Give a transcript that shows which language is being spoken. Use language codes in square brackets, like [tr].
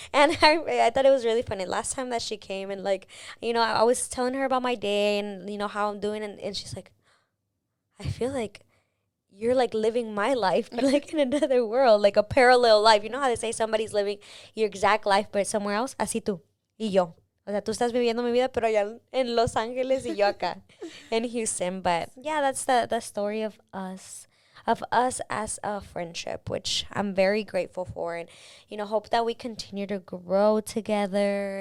[en] And I thought it was really funny last time that she came, and, like, you know, I was telling her about my day and, you know, how I'm doing, and she's like, I feel like you're, like, living my life, but, like, in another world, like a parallel life. You know how they say somebody's living your exact life, but somewhere else? [es] Así tú y yo. O sea, tú estás viviendo mi vida, pero allá en Los Ángeles y yo acá in Houston. [en] But, yeah, that's the story of us as a friendship, which I'm very grateful for. And, you know, hope that we continue to grow together.